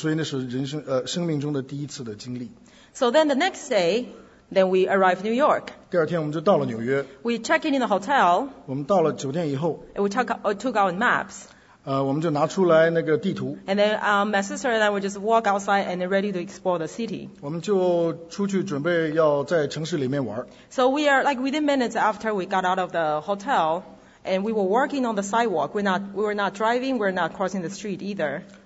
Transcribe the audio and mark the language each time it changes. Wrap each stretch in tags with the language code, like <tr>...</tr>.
<zh>那是我人生中第一次接触到圣经，接触到神，然后有看到圣灵，然后听到圣诗。因为我不是一个基督徒，所以我对此一无所知，所以那是人生生命中的第一次的经历。</zh> <en>So then the next day, then we arrived in New York.</en> <zh>第二天我们就到了纽约。</zh> <en>We check in the hotel.</en> <zh>我们到了酒店以后。</zh> <en>And we took our maps.</en> <zh>我们就拿出来那个地图。</zh> <en>And then my sister and I would just walk outside and ready to explore the city.</en> <zh>我们就出去准备要在城市里面玩。</zh> <en>So we are like within minutes after we got out of the hotel, and we were walking on the sidewalk. We were not driving, we're not crossing the street either.</en>